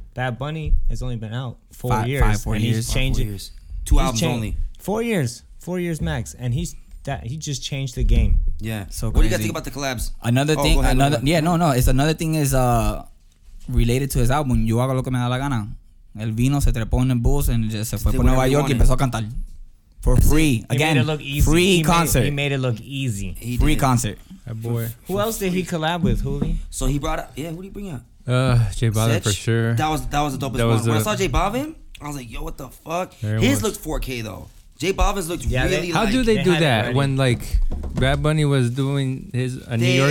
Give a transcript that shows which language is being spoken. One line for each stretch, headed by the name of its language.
English: Bad Bunny has only been out four years. Two he's albums only. 4 years. 4 years max. And he's... That he just changed the game. Yeah. So crazy. What do you guys think about the collabs? It's another thing is related to his album.
Spanish: Yo hago lo que me da la gana. El vino se trepó en el bus
English: and just
Spanish: se fue por Nueva York y empezó a cantar
English: for free. Again, free concert. He made it look easy. Free concert. That boy. Who else did he collab with, Juli? So he brought up. Yeah, who did he bring up? J Balvin for sure. That was the dopest one. When I saw J Balvin, I was like, yo, what the fuck? His looked 4K though. J Balvin's looked really like... How do they do that when, like, Bad Bunny was doing his New York and then...